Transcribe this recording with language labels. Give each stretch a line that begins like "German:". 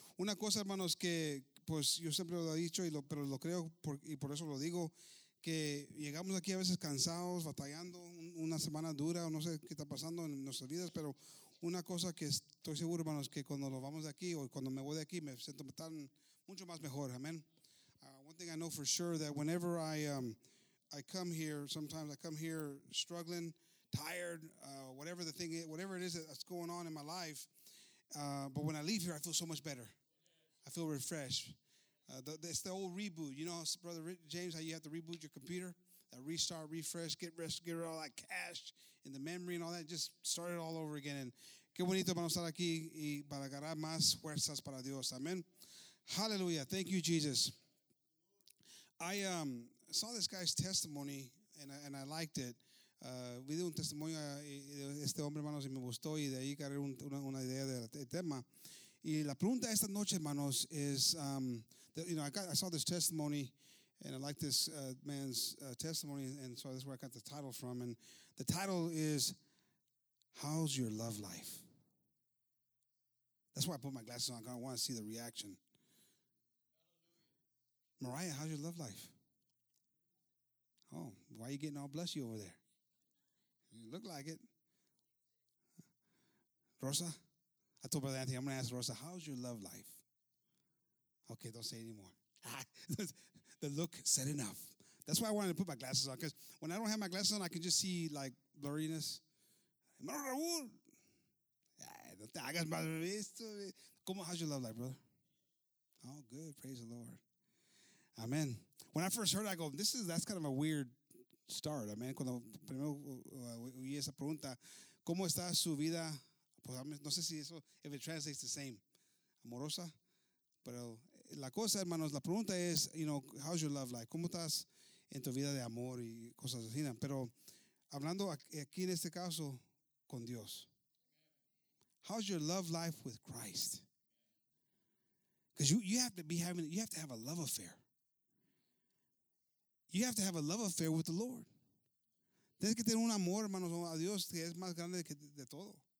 Spanish: Una cosa, hermanos, que pues yo siempre lo he dicho, pero lo creo y por eso lo digo, que llegamos aquí a veces cansados, batallando, una semana dura, o no sé qué está pasando en nuestras vidas, pero una cosa que estoy seguro, hermanos, que cuando nos vamos de aquí o cuando me voy de aquí, me siento tan mucho más mejor. Amén.
English: One thing I know for sure that whenever I come here, sometimes I come here struggling, tired, whatever the thing is, whatever it is that's going on in my life, but when I leave here, I feel so much better. I feel refreshed. It's the old reboot. You know, Brother James, how you have to reboot your computer, that restart, refresh, get all that cache in the memory and all that. Just start it all over again. And
Spanish: qué bonito para estar aquí y para agarrar más fuerzas para Dios.
English: Amen. Hallelujah. Thank you, Jesus. I saw this guy's testimony and I liked it.
Spanish: Vi un testimonio de este hombre, hermanos, y me gustó y de ahí cargué una idea del tema. Y la pregunta esta noche, hermanos,
English: is, I saw this testimony, and I like this man's testimony, and so that's where I got the title from. And the title is, how's your love life? That's why I put my glasses on, because I want to see the reaction. Mariah, how's your love life? Oh, why are you getting all blessed over there? You look like it. Rosa? I told Brother Anthony, I'm going to ask Rosa, how's your love life? Okay, don't say anymore. The look said enough. That's why I wanted to put my glasses on, because when I don't have my glasses on, I can just see, like, blurriness. How's your love life, brother? Oh, good. Praise the Lord. Amen. When I first heard it, I go, that's kind of a weird start. Amen.
Spanish: Cuando primero oí esa pregunta, ¿cómo está su vida? No sé si eso,
English: if it translates the same,
Spanish: amorosa, pero la cosa, hermanos, la pregunta es,
English: you know, how's your love life?
Spanish: ¿Cómo estás en tu vida de amor y cosas así? Pero hablando aquí en este caso con Dios,
English: how's your love life with Christ? Because you have to have a love affair. You have to have a love affair with the Lord.
Spanish: Tienes que tener un amor, hermanos, a Dios que es más grande que de todo.